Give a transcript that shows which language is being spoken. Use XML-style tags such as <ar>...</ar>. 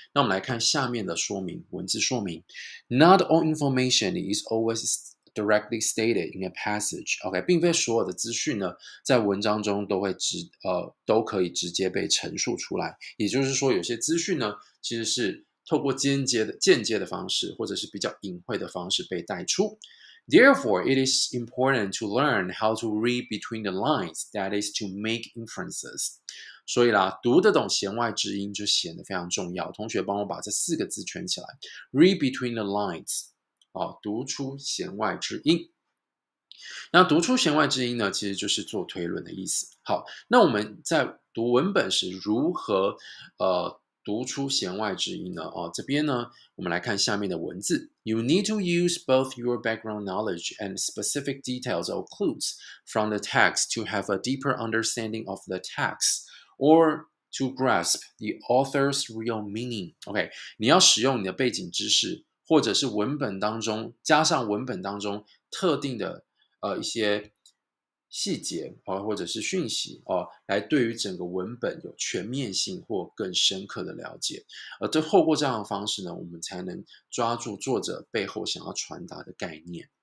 <zh>那我们来看下面的说明，文字说明。</zh> <en>Not all information is always directly stated in a passage.</en> <zh>OK， 并非所有的资讯呢，在文章中都可以直接被陈述出来。也就是说，有些资讯呢，其实是透过间接的方式，或者是比较隐晦的方式被带出。</zh> <en>Therefore, it is important to learn how to read between the lines, that is to make inferences.</en> <zh>所以啦，读得懂弦外之音就显得非常重要。同学帮我把这四个字圈起来。</zh> <en>Read between the lines,</en> <zh>读出弦外之音。那读出弦外之音呢，其实就是做推论的意思。好，那我们在读文本时如何读出弦外之音呢？这边呢，我们来看下面的文字。</zh> <en>You need to use both your background knowledge and specific details or clues from the text to have a deeper understanding of the text or to grasp the author's real meaning.</en> <zh>OK， 你要使用你的背景知识，或者是文本当中，加上文本当中特定的一些细节或者是讯息来对于整个文本有全面性或更深刻的了解。而这透过这样的方式呢，我们才能抓住作者背后想要传达的概念。</zh>